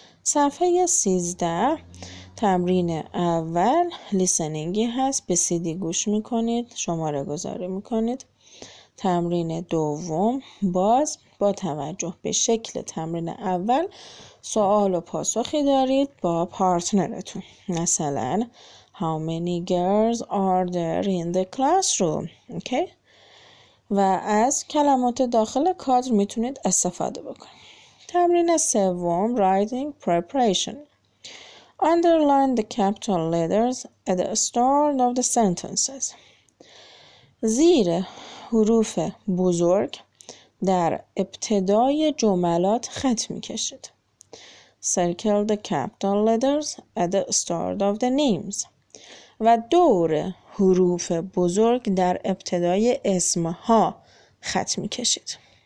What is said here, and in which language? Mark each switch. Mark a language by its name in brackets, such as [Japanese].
[Persian] صفحه 13 تمرین اول لیسنینگی هست. به سیدی گوش میکنید. شماره گذاری میکنید. تمرین دوم باز با توجه به شکل تمرین اول سوال و پاسخی دارید با پارتنرتون. [English] مثلا How many girls are there in the classroom? Okay. [Persian] و از کلمات داخل کادر میتونید استفاده بکنید. تمرین سوم [English] Writing Preparation. Underline the capital letters at the start of the sentences. [Persian] زیر حروف بزرگ در ابتدای جملات خط میکشید. [English] Circle the capital letters at the start of the names. [Persian] و دور حروف بزرگ در ابتدای اسمها خط میکشید.